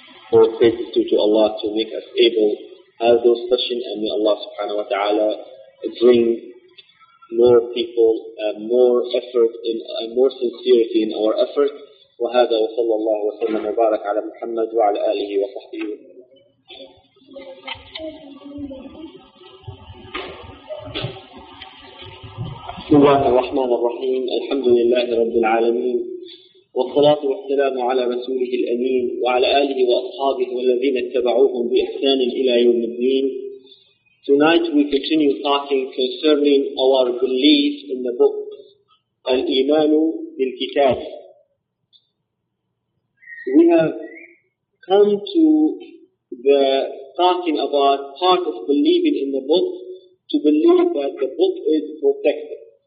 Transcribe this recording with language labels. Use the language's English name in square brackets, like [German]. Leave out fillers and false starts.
[English] For praise due to Allah to make us able to have those questions, and may Allah subhanahu wa ta'ala bring more people and more effort in, and more sincerity in our effort. [Arabic] وهذا وصلى الله وسلم وبارك على محمد وعلى آله وصحبه وسلم. بسم الله الرحمن الرحيم. الحمد لله رب العالمين. والصلاة والسلام على رسوله الأمين وعلى آله وأصحابه والذين اتبعوهم بإحسان إلى يوم الدين. [English] Tonight we continue talking concerning our belief in the book, [Arabic] الإيمان بالكتاب. [English] We have come to the talking about part of believing in the book, to believe that the book is protected.